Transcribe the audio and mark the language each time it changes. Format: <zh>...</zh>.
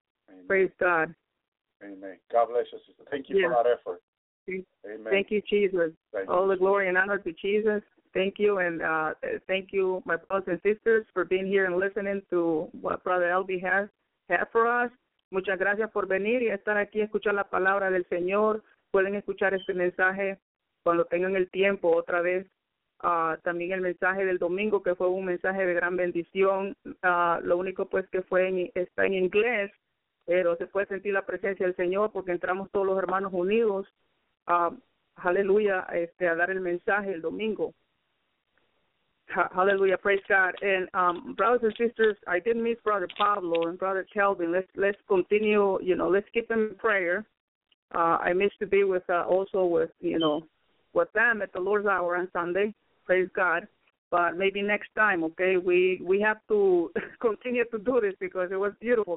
<en>Amen. Praise God. Amen. God bless you, sister. Thank you yeah. for that effort. Amen. Thank you, Jesus. Thank All you. The glory and honor to Jesus. Thank you, and thank you, my brothers and sisters, for being here and listening to what Brother Elby has had for us.</en> <es>Muchas gracias por venir y estar aquí a escuchar la palabra del Señor. Pueden escuchar este mensaje cuando tengan el tiempo otra vez. También el mensaje del domingo, que fue un mensaje de gran bendición. Lo único pues que fue está en inglés, pero se puede sentir la presencia del Señor porque entramos todos los hermanos unidos, aleluya, a dar el mensaje el domingo.</es> <en>Hallelujah, praise God. And brothers and sisters, I did miss Brother Pablo and Brother Kelvin. Let's continue, you know, let's keep them in prayer. I missed to be with also with, you know, with them at the Lord's Hour on Sunday. Praise God. But maybe next time, okay, we have to continue to do this because it was beautiful.</en>